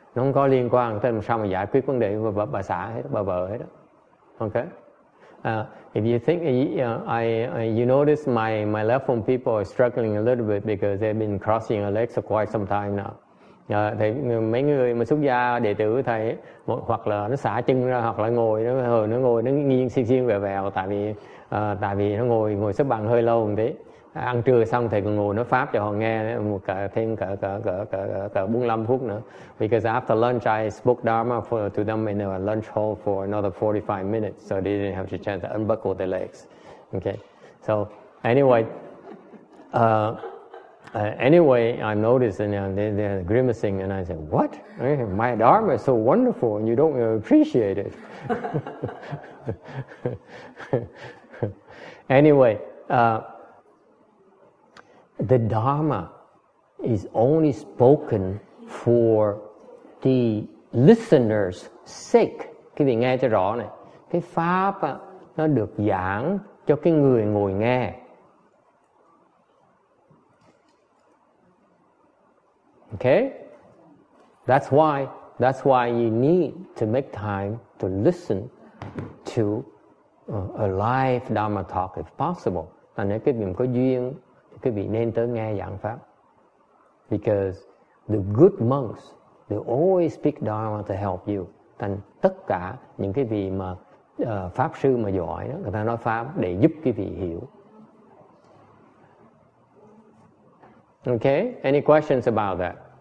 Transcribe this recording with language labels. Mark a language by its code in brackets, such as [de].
[vi] Nó không có liên quan tới làm sao mà giải quyết vấn đề với bà xã hết, bà vợ hết đó. [en] Okay. If you think you notice my left home people are struggling a little bit because they've been crossing their legs for quite some time now. [vi] Thầy, mấy người mà xuất gia đệ tử thầy hoặc là nó xả chân ra hoặc là ngồi nó ngồi nó nghiêng xiên vẹo vẹo tại vì nó ngồi xếp bằng hơi lâu một tí. Ăn trưa xong thầy còn ngồi nói pháp cho họ nghe một cả thêm cả 45 phút nữa. [en] Because after lunch I spoke Dharma to them in a lunch hall for another 45 minutes, so they didn't have the chance to unbuckle their legs. Okay. So anyway, I noticed and they're grimacing and I said, what? My Dharma is so wonderful and you don't appreciate it. Anyway, the Dharma is only spoken for the listener's sake. [vi] Cái vị nghe cho rõ này. Cái pháp nó được giảng cho cái người ngồi nghe. [en] Okay? That's why you need to make time to listen to a live Dharma talk if possible. [vi] Và nếu cái vị có duyên, cái vị nên tới nghe giảng pháp. [en] Because the good monks, they always speak Dharma to help you. [vi] Thành tất cả những cái vị mà pháp sư mà giỏi đó, người ta nói pháp để giúp cái vị hiểu. [en] Okay, any questions about that?